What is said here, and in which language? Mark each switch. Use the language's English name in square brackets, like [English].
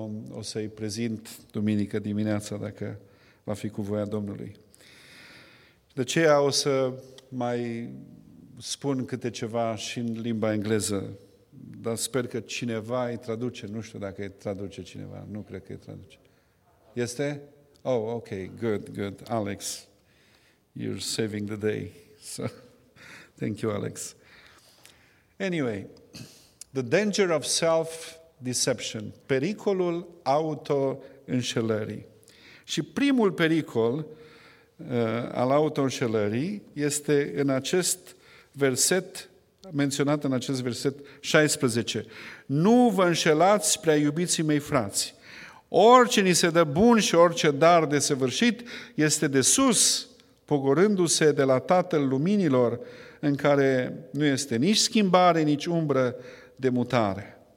[Romanian] O să-i prezint duminică dimineața, dacă va fi cu voia Domnului. De aceea o să mai spun câte ceva și în limba engleză, dar sper că cineva îi traduce. Nu știu dacă îi traduce cineva. Nu cred că îi traduce. Este? [English] Oh, ok. Good, good. Alex, you're saving the day. So, thank you, Alex. Anyway, the danger of self-deception. [Romanian] Pericolul auto-înșelării. Și primul pericol al auto-înșelării este în acest verset, menționat în acest verset 16. Nu vă înșelați, prea iubiții mei frați. Orice ni se dă bun și orice dar desăvârșit este de sus, pogorându-se de la Tatăl Luminilor, în care nu este nici schimbare, nici umbră de mutare.